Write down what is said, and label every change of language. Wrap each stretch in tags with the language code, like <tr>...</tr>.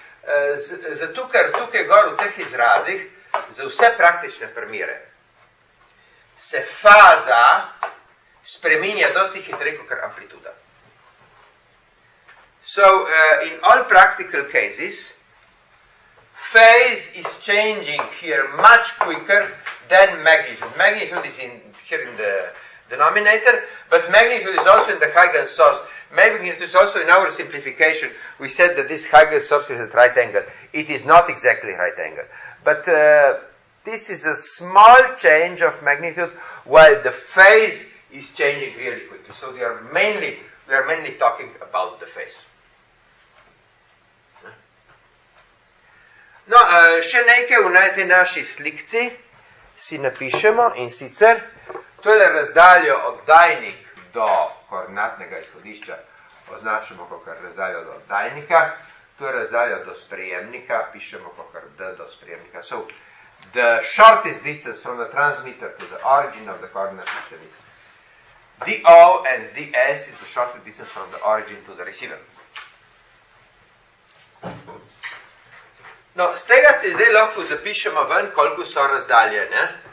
<sl>Zato, ker tukaj gor v teh izrazih, za vse praktične primere, se faza spreminja dosti hitreje kot amplituda.</sl> <en>So, in all practical cases, phase is changing here much quicker than magnitude. Magnitude is in here in the denominator, but magnitude is also in the Huygens source. Magnitude is also in our simplification. We said that this Huygens source is at right angle. It is not exactly right angle. But this is a small change of magnitude, while the phase is changing really quickly. So we are mainly talking about the phase.</en> <sl>No, še nekaj v najte naši slikci si napišemo in sicer to je razdaljo oddajnik do koordinatnega izhodišča označimo kot razdaljo do oddajnika, to je razdaljo do sprejemnika, pišemo kot d do sprejemnika.</sl> <en>So, the shortest distance from the transmitter to the origin of the coordinate system is dO and dS is the shortest distance from the origin to the receiver.</en> <sl>No, z tega se zdaj lahko zapišemo ven, koliko so razdalje, ne?</sl>